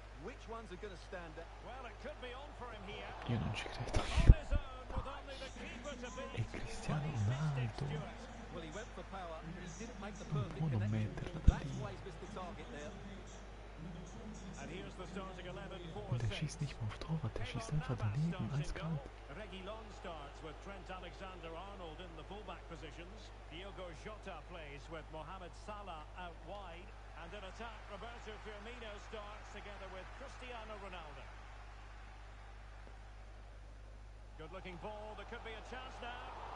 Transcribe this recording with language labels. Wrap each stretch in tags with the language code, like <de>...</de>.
<en>Which ones are going to stand up? Well, it could be on for him here.</en> <it>Io non ci credo.</it> <en>On his own, with only the keeper to beat.</en> <it>E Cristiano Ronaldo.</it> <en>Well, he went for power, but he didn't make the perfect connection. That's why he's missed the target there. And here's the starting 11 for the Saints.</en> <de>Der schießt nicht mal auf Torwart, der schießt einfach daneben, als kalt.</de> <en>Reggie Long starts with Trent Alexander-Arnold in the fullback positions. Diogo Jota plays with Mohamed Salah out wide. And in attack, Roberto Firmino starts together with Cristiano Ronaldo. Good looking ball, there could be a chance now.</en>